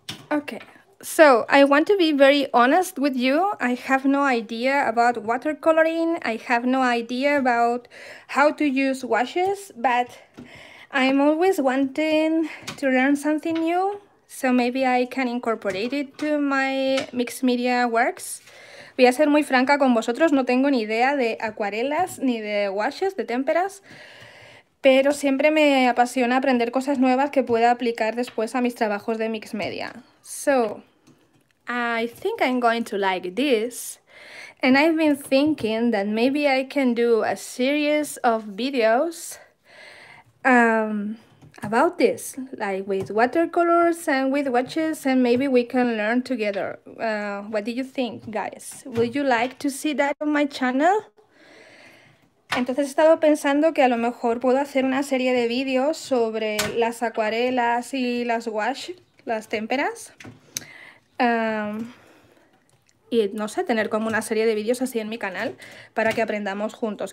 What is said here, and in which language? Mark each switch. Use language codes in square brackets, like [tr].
[en] Okay, so I want to be very honest with you. I have no idea about watercoloring. I have no idea about how to use washes, but I'm always wanting to learn something new. So maybe I can incorporate it to my mixed media works. [es] Voy a ser muy franca con vosotros, no tengo ni idea de acuarelas ni de washes, de témperas, pero siempre me apasiona aprender cosas nuevas que pueda aplicar después a mis trabajos de mixed media. [en] So, I think I'm going to like this, and I've been thinking that maybe I can do a series of videos about this, like with watercolors and with watches, and maybe we can learn together. What do you think, guys? Would you like to see that on my channel? [es] Entonces he estado pensando que a lo mejor puedo hacer una serie de vídeos sobre las acuarelas y las wash, las témperas. Y no sé, tener como una serie de vídeos así en mi canal para que aprendamos juntos.